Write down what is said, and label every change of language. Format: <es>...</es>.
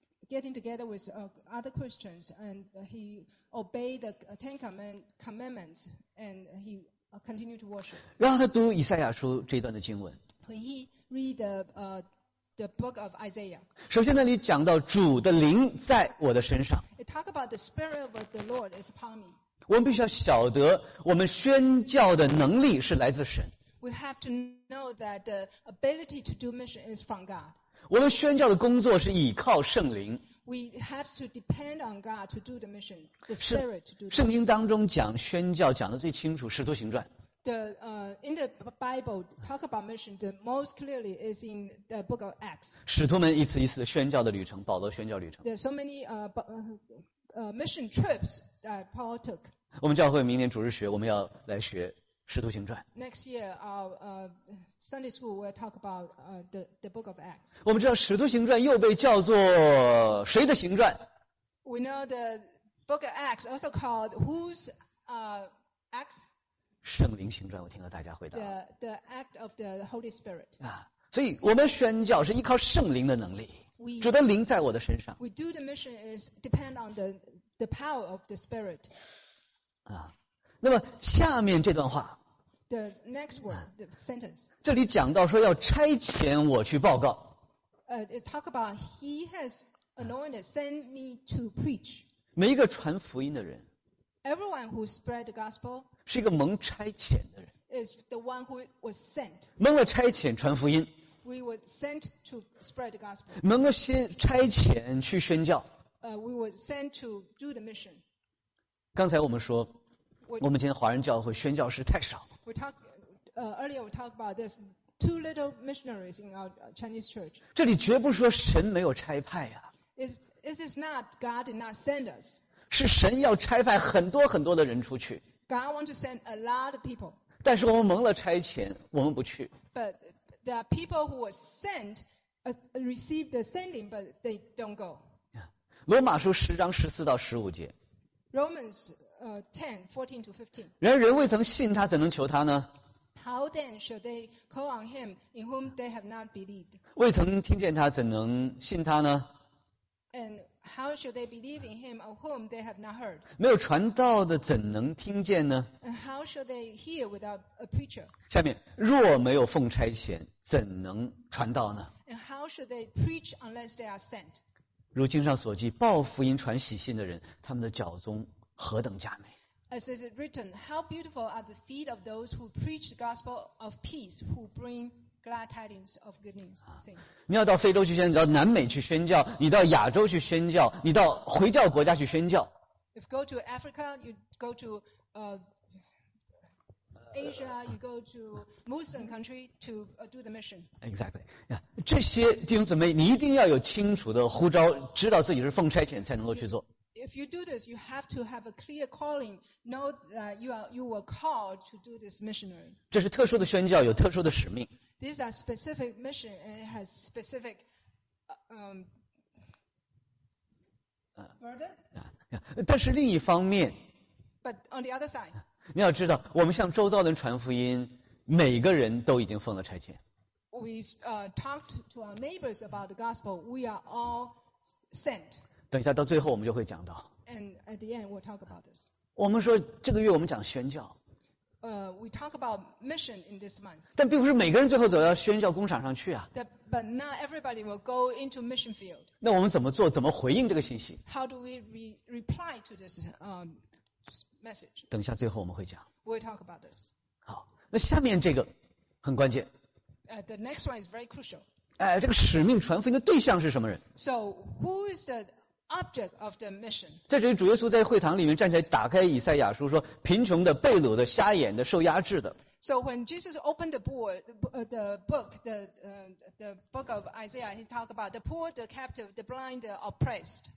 <en>Getting together with other Christians, and he obeyed the Ten Commandments, and he continued to worship.</en> <zh>让他读以赛亚书这一段的经文。</zh> <en>When he read the book of Isaiah.</en> <zh>首先那里讲到主的灵在我的身上。</zh> <en>It talk about the spirit of the Lord is upon me.</en> <zh>我们必须要晓得，我们宣教的能力是来自神。</zh> <en>We have to know that the ability to do mission is from God.</en> <zh>我们宣教的工作是倚靠圣灵。</zh> <en>We have to depend on God to do the mission, the Spirit to do.</en> <zh>圣经当中讲宣教讲的最清楚，《使徒行传》。</zh> <en>The in the Bible talk about mission the most clearly is in the book of Acts.</en> <zh>使徒们一次一次的宣教的旅程，保罗宣教旅程。</zh> <en>There are so many mission trips that Paul took.</en> <zh>我们教会明年主日学，我们要来学。使徒行传。</zh> <en>Next year, our Sunday school will talk about the book of Acts.</en> <zh>我们知道使徒行传又被叫做谁的行传</zh> <en>？We know the book of Acts also called whose Acts?</en> <zh>圣灵行传，我听到大家回答。</zh> <en>The act of the Holy Spirit.</en> <zh>啊，所以我们宣教是依靠圣灵的能力。主的灵在我的身上。</zh> <en>We do the mission is depend on the power of the Spirit.</en> <zh>啊。那么下面这段话</zh> <en>the next word, the sentence,</en> <zh>这里讲到说要差遣我去报告</zh> <en>it talk about he has anointed send me to preach</en> <zh>每一个传福音的人</zh> <en>everyone who spread the gospel</en> <zh>是一个蒙差遣的人</zh> <en>is the one who was sent</en> <zh>蒙了差遣传福音</zh> <en>we were sent to spread the gospel</en> <zh>蒙了先差遣去宣教</zh> <en>we were sent to do the mission</en> <zh>刚才我们说我们今天华人教会宣教士太少。</zh> <en>Earlier we talked about this too little missionaries in our Chinese church.</en> <zh>这里绝不是说神没有差派啊。</zh> <en>It is not God did not send us.</en> <zh>是神要差派很多很多的人出去。</zh> <en>God want to send a lot of people.</en> <zh>但是我们蒙了差遣，我们不去。</zh> <en>But there are people who were sent, received the sending, but they don't go.</en> <zh>罗马书十章十四到十五节。</zh> <en>Romans 10:14-15.</en> <zh>然而人未曾信他，怎能求他呢</zh> <en>？How then shall they call on him in whom they have not believed？</en> <zh>未曾听见他，怎能信他呢</zh> <en>？And how shall they believe in him of whom they have not heard？</en> <zh>没有传道的，怎能听见呢</zh> <en>？And how shall they hear without a preacher？</en> <zh>下面若没有奉差遣，怎能传道呢</zh> <en>？And how shall they preach unless they are sent？</en> <zh>如经上所记，报福音传喜信的人，他们的脚踪何等佳美</zh> <en>！As is written, how beautiful are the feet of those who preach the gospel of peace, who bring glad tidings of good news.</en> <zh>你要到非洲去宣教，你到南美去宣教，你到亚洲去宣教，你到回教国家去宣教。</zh> <en>If go to Africa, you go to Asia, you go to Muslim country to do the mission. Exactly. Yeah.</en> <zh>这些弟兄姊妹，你一定要有清楚的呼召，知道自己是奉差遣才能够去做。</zh> <en>If you do this, you have to have a clear calling. Know that you were called to do this missionary.</en> <zh>这是特殊的宣教，有特殊的使命。</zh> <en>These are specific mission and it has specific burden.</en> <zh>但是另一方面</zh> <en>，But on the other side.</en> <zh>你要知道，我们向周遭人传福音，每个人都已经奉了差遣。</zh> <en>We talked to our neighbors about the gospel. We are all sent.</en> <zh>等一下到最后我们就会讲到。</zh> <en>And at the end, we'll talk about this.</en> <zh>我们说这个月我们讲宣教。</zh> <en>We talk about mission in this month.</en> <zh>但并不是每个人最后走到宣教工厂上去啊。</zh> <en>But not everybody will go into mission field.</en> <zh>那我们怎么做？怎么回应这个信息</zh> <en>？How do we reply to this message?</en> <zh>等一下最后我们会讲。</zh> <en>We'll talk about this.</en> <zh>好，那下面这个很关键。</zh> <en>The next one is very crucial.</en> <zh>哎，这个使命传福音的对象是什么人</zh> <en>？So who is the object of the mission?</en> <zh>在这里，主耶稣在会堂里面站起来，打开以赛亚书，说：“贫穷的、被掳的、瞎眼的、受压制的。”</zh> <en>So when Jesus opened the book of Isaiah, he talked about the poor, the captive, the blind, the oppressed.</en>